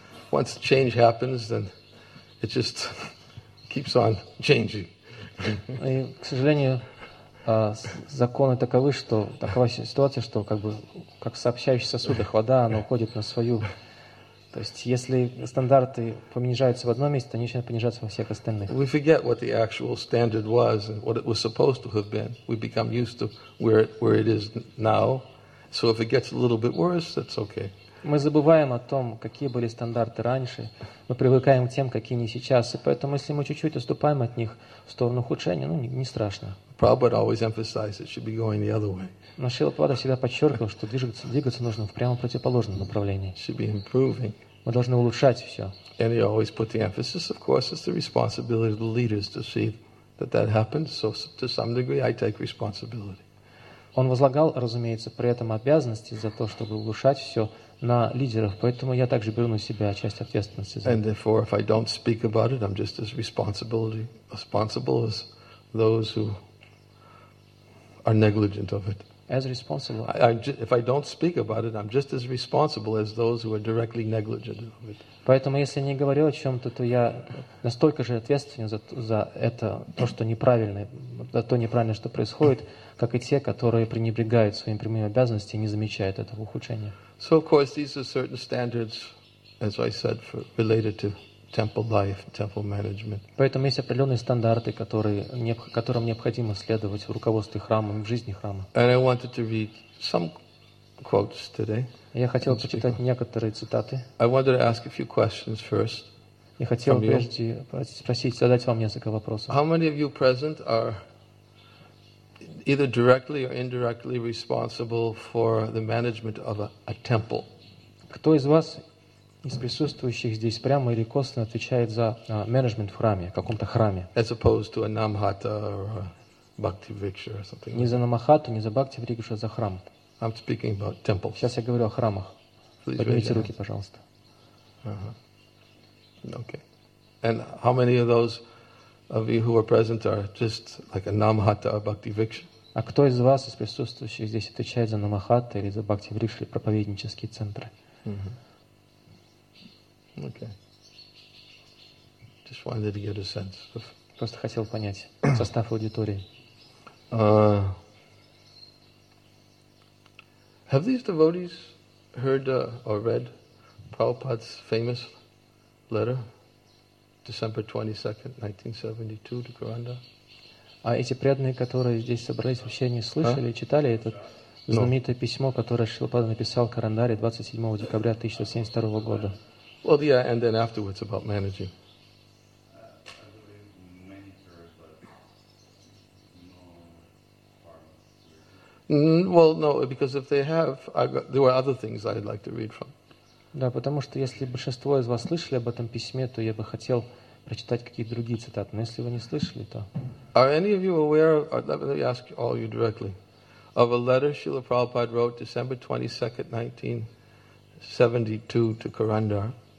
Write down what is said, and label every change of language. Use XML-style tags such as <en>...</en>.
<en>Once change happens, then it just keeps on changing.</en> <ru>И, к сожалению, законы таковы, что такова ситуация, что как бы как в сообщающих сосудах вода, она уходит на свою. То есть, если стандарты понижаются в одном месте, то они начинают понижаться во всех остальных.</ru> <en>We forget what the actual standard was and what it was supposed to have been. We become used to where it is now. So if it gets a little bit worse, that's okay.</en> <ru>Мы забываем о том, какие были стандарты раньше. Мы привыкаем к тем, какие они сейчас. И поэтому, если мы чуть-чуть отступаем от них в сторону ухудшения, ну, не страшно.</ru> <en>Prabhupada always emphasized it should be going the other way.</en> <ru>Но Шрила Прабхупада всегда подчеркивал, что двигаться нужно в прямо противоположном направлении.</ru> <en>Should be improving.</en> <ru>Мы должны улучшать все.</ru> <en>And he always put the emphasis, of course, it's the responsibility of the leaders to see that happens. So to some degree, I take responsibility.</en> <ru>Он возлагал, разумеется, при этом обязанности за то, чтобы улучшать все, на лидеров, поэтому я также беру на себя часть ответственности за это.</ru> <en>And therefore, if I don't speak about it, I'm just as responsible as those who are negligent of it. As responsible. If I don't speak about it, I'm just as responsible as those who are directly negligent of it.</en> <ru>Поэтому, если не говорю о чем-то, то я настолько же ответственен за это, то, что неправильно, за то неправильное, что происходит, как и те, которые пренебрегают своими прямыми обязанностями и не замечают этого ухудшения.</ru> <en>So, of course, these are certain standards, as I said, related to temple life, temple management.</en> <ru>Поэтому есть определенные стандарты, которым необходимо следовать в руководстве храма, в жизни храма.</ru> <en>And I wanted to read some quotes today.</en> <ru>Я хотел прочитать некоторые цитаты.</ru> <en>I wanted to ask a few questions first.</en> <ru>Я хотел прежде спросить, задать вам несколько вопросов.</ru> <en>How many of you present are either directly or indirectly responsible for the management of a temple?</en> <ru>Кто из вас из присутствующих здесь прямо или косвенно отвечает за менеджмент в храме, в каком-то храме?</ru> <en>As opposed to a Namhata or a Bhakti Vriksha or something.</en> <ru>Не за Намахату, не за Бхакти Врикшу, а за храм.</ru> <en>I'm speaking about temples.</en> <ru>Сейчас я говорю о храмах.</ru> <en>Please</en> <ru>поднимите руки, пожалуйста.</ru> <en>Okay. And how many of those of you who are present are just like a Namhata or Bhakti Vriksha?</en> <ru>А кто из вас из присутствующих здесь отвечает за Намахата или за Бхакти Врикшу, или проповеднические центры?</ru> <en>Okay. Just wanted to get a sense of.</en> <ru>Просто хотел понять состав аудитории.</ru> <en>Have these devotees heard or read Prabhupada's famous letter, December 22nd, 1972, to Gauranga?</en> <ru>А эти преданные, которые здесь собрались, вообще не слышали, читали это знаменитое письмо, которое Шилпада написал Карандаре 27 декабря 1972 года?</ru> <en>Well, yeah, and then afterwards about managing. Well, no, because if they have, there were other things I'd like to read from.</en> <ru>Да, потому что если большинство из вас слышали об этом письме, то я бы хотел прочитать какие-то другие цитаты. Но если вы не слышали, то.</ru> <en>Are any of you aware? Let me ask all you directly of a letter Srila Prabhupada wrote December 22nd, 1972 to Karandar.</en>